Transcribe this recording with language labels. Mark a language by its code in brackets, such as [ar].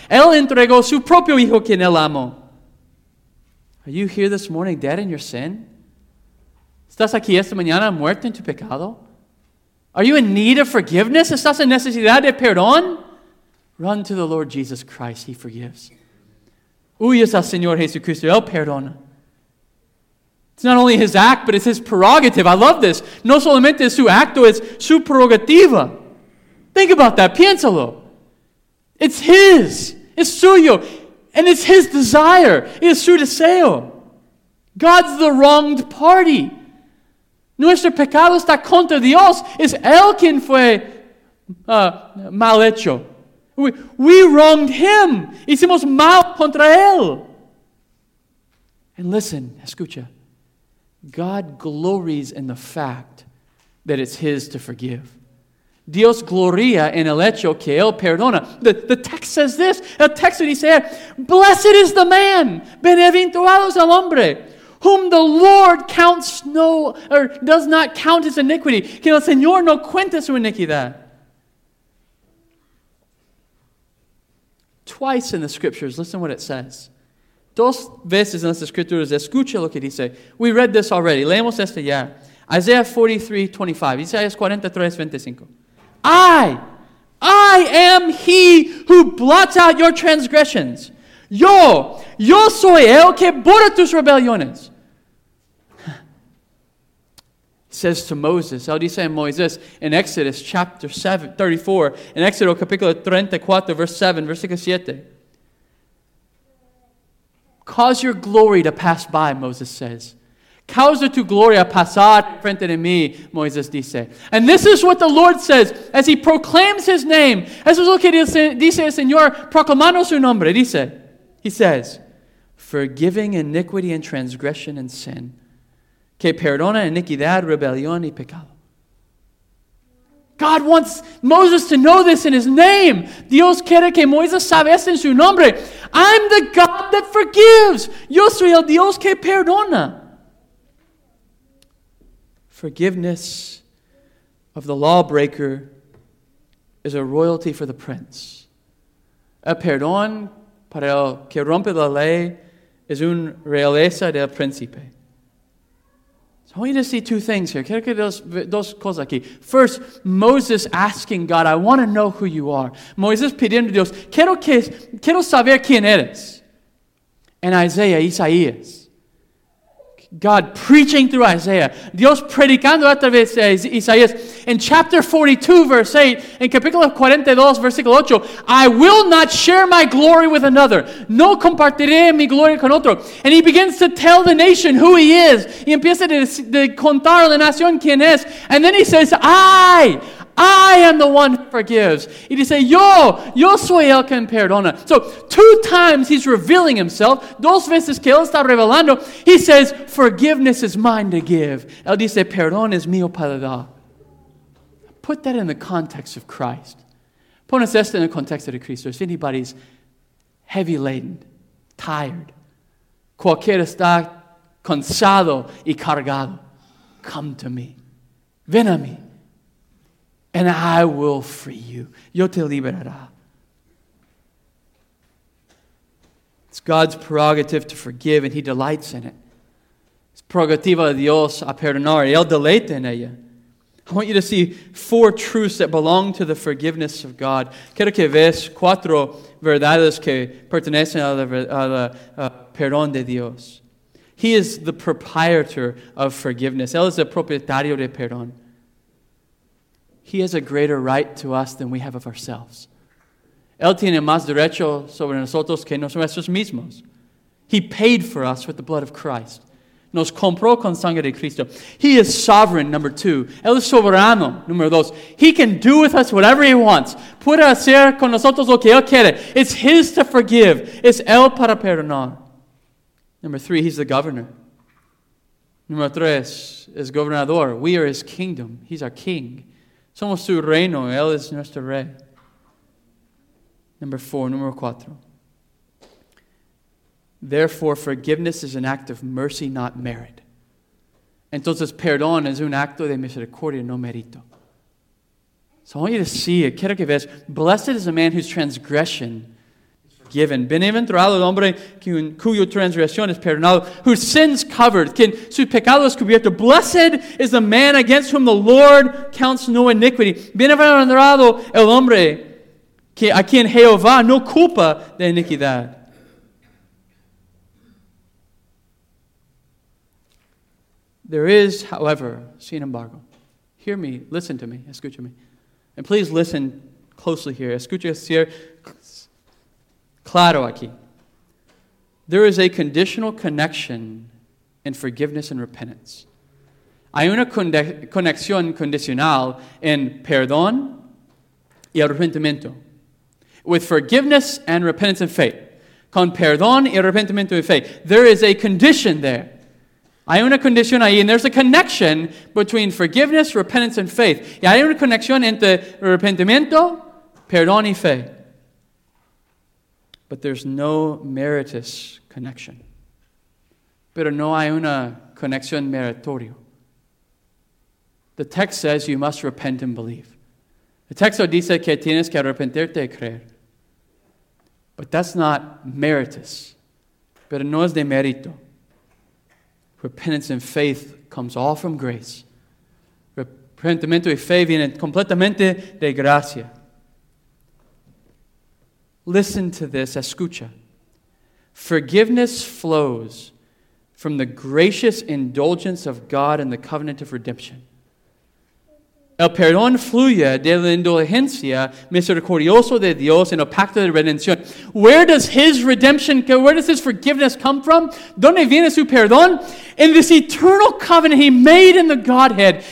[es] Él entregó su propio hijo quien él amó. [en] Are you here this morning dead in your sin? [es] ¿Estás aquí esta mañana muerto en tu pecado? [en] Are you in need of forgiveness? [es] ¿Estás en necesidad de perdón? [en] Run to the Lord Jesus Christ. He forgives. [es] Huyes al Señor Jesucristo, él perdona. [en] It's not only his act, but it's his prerogative. I love this. [es] No solamente es su acto, es su prerogativa. [en] Think about that, [es] piénsalo. [en] It's his, [es] es suyo, [en] and it's his desire, [es] es su deseo. [en] God's the wronged party. [es] Nuestro pecado está contra Dios, es él quien fue mal hecho. [en] We wronged him. [es] Hicimos mal contra él. [en] And listen, [es] escucha. [en] God glories in the fact that it's his to forgive. [es] Dios gloria en el hecho que él perdona. [en] The text says this. [es] El texto dice, [en] blessed is the man, [es] bienaventurado es el hombre, [en] whom the Lord counts no, or does not count his iniquity. [es] Que el Señor no cuenta su iniquidad. [en] Twice in the scriptures, listen what it says. [es] Dos veces en las escrituras, escucha lo que dice. [en] We read this already. [es] Leemos esto ya. [en] Isaiah 43:25. [es] Isaías 43:25. [en] I am he who blots out your transgressions. [es] Yo soy el que borra tus rebeliones. [en] Says to Moses, [es] él dice a Moisés, [en] in Exodus chapter 7, 34, in Exodus [es] capítulo 34, [en] verse 7, [es] versículo 7. [en] Cause your glory to pass by, Moses says. [es] Causa tu gloria pasar frente de mí, Moisés dice. [en] And this is what the Lord says as he proclaims his name. [es] Eso es lo que dice el Señor, proclamando su nombre, dice. [en] He says, forgiving iniquity and transgression and sin. [es] Que perdona iniquidad, rebelión y pecado. [en] God wants Moses to know this in his name. [es] Dios quiere que Moisés sabe esto en su nombre. [en] I'm the God that forgives. [es] Yo soy el Dios que perdona. [en] Forgiveness of the lawbreaker is a royalty for the prince. [es] El perdón para el que rompe la ley es una realeza del príncipe. [en] So I want you to see two things here. [es] Quiero que dos cosas aquí. [en] First, Moses asking God, I want to know who you are. [es] Moisés pidiendo a Dios, quiero saber quién eres. And Isaías, [en] God preaching through Isaiah. [es] Dios predicando a través de Isaías. [en] In chapter 42, verse 8. [es] En capítulo 42, versículo 8. [en] I will not share my glory with another. [es] No compartiré mi gloria con otro. [en] And he begins to tell the nation who he is. [es] Y empieza a contar a la nación quién es. [en] And then he says, I am the one who forgives. [es] Y dice, yo soy el que perdona. [en] So, two times he's revealing himself. [es] Dos veces que él está revelando. [en] He says, forgiveness is mine to give. [es] Él dice, perdón es mío para dar. [en] Put that in the context of Christ. [es] Pones esto en el contexto de Cristo. [en] If anybody's heavy laden, tired, [es] cualquiera está cansado y cargado, [en] come to me. [es] Ven a mí. [en] And I will free you. [es] Yo te liberará. [en] It's God's prerogative to forgive, and he delights in it. It's [es] prerogativa de Dios a perdonar. Y él deleita en ella. [en] I want you to see four truths that belong to the forgiveness of God. [es] Quiero que veas cuatro verdades que pertenecen a la perdón de Dios. [en] He is the proprietor of forgiveness. [es] Él es el propietario de perdón. [en] He has a greater right to us than we have of ourselves. [es] Él tiene más derecho sobre nosotros que nosotros mismos. [en] He paid for us with the blood of Christ. [es] Nos compró con sangre de Cristo. [en] He is sovereign, number two. [es] Él es soberano, número dos. [en] He can do with us whatever he wants. [es] Puede hacer con nosotros lo que él quiere. [en] It's his to forgive. [es] Es él para perdonar. [en] Number three, he's the governor. Number [es] tres, es gobernador. [en] We are his kingdom. He's our king. [es] Somos su reino. Él es nuestro rey. [en] Number four. [es] Número cuatro. [en] Therefore, forgiveness is an act of mercy, not merit. [es] Entonces, perdón es un acto de misericordia, no mérito. [en] So I want you to see it. [es] Quiero que veas. [en] Blessed is a man whose transgression is forgiven. [es] Bienaventurado el hombre cuyo transgresión es perdonado, [en] whose sins covered, [es] quien su pecado es cubierto. [en] Blessed is the man against whom the Lord counts no iniquity. [es] Bienaventurado el hombre a quien Jehová no culpa de iniquidad. [en] There is, however, [es] sin embargo. [en] Hear me, listen to me, [es] escúchame. [en] And please listen closely here. [es] Escúchame. Claro aquí. [en] There is a conditional connection in forgiveness and repentance. [es] Hay una conexión condicional en perdón y arrepentimiento. [en] With forgiveness and repentance and faith. [es] Con perdón y arrepentimiento y fe. [en] There is a condition there. [es] Hay una condición ahí, [en] and there's a connection between forgiveness, repentance, and faith. [es] Y hay una conexión entre arrepentimiento, perdón y fe. [en] But there's no meritorious connection. [es] Pero no hay una conexión meritoria. [en] The text says you must repent and believe. [es] The texto dice que tienes que arrepentirte y creer. [en] But that's not meritorious. [es] Pero no es de mérito. [en] Repentance and faith comes all from grace. [es] Repentimiento y fe vienen completamente de gracia. [en] Listen to this, [es] escucha. [en] Forgiveness flows from the gracious indulgence of God in the covenant of redemption. [es] El perdón fluye de la indulgencia misericordioso de Dios en el pacto de redención. [en] Where does his redemption, where does his forgiveness come from? [es] ¿Dónde viene su perdón? [en] In this eternal covenant he made in the Godhead.